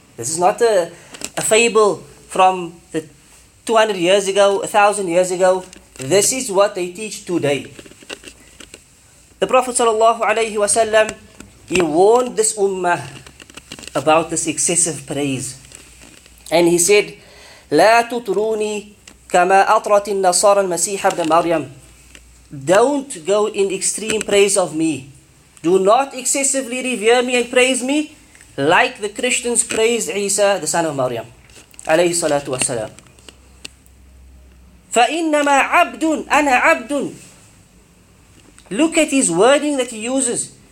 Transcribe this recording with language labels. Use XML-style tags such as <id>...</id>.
<en>This is not a fable from the 200 years ago, 1,000 years ago. This is what they teach today. The Prophet sallallahu alayhi wa sallam, he warned this ummah about this excessive praise. And he said,</en> <ar>لا تطروني كما أطرت النصارى المسيح ابن مريم.</ar> <en>Don't go in extreme praise of me. Do not excessively revere me and praise me like the Christians praised Isa, the son of Maryam.</en> <ar>عليه الصلاة والسلام. فإنما عبد أنا عبد.</ar> <en>Look at his wording that he uses.</en>